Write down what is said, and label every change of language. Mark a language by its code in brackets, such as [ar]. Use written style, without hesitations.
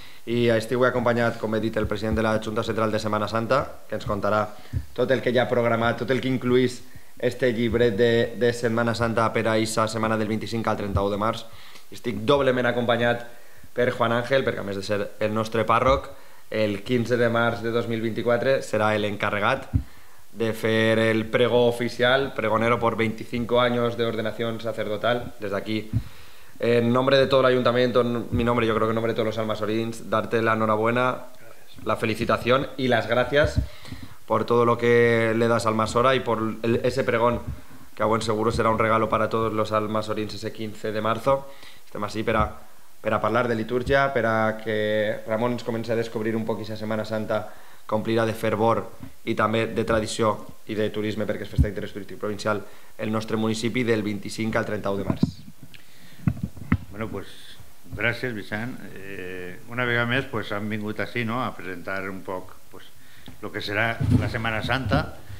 [ca] I estic avui acompanyat, com he dit, el president de la Junta Central de Setmana Santa, que ens contarà tot el que ja ha programat, tot el que incluís este llibret de Setmana Santa per a aquesta setmana del 25 al 31 de març. Estic doblement acompanyat per Juan Ángel, perquè a més de ser el nostre pàrroc, el 15 de març de 2024 serà l'encarregat de fer el pregó oficial, pregonero por 25 años de ordenación sacerdotal. [es] Des d'aquí, en nombre de todo el ayuntamiento, en mi nombre, yo creo que en nombre de todos los almasorins, darte la enhorabuena, gracias, la felicitación y las gracias por todo lo que le das a Almassora y por ese pregón, que a buen seguro será un regalo para todos los almassorins ese 15 de marzo. [ca] Estem así para hablar de liturgia, para que Ramón nos comience a descubrir un poco esa Semana Santa complirà de fervor i també de tradició i de turisme, perquè és festa d'interès turístic provincial, el nostre municipi del 25 al 31 de març. Bueno, pues gràcies, Vicent. Una vegada més, pues han vingut així, no?, a presentar un poc pues lo que serà la Setmana Santa.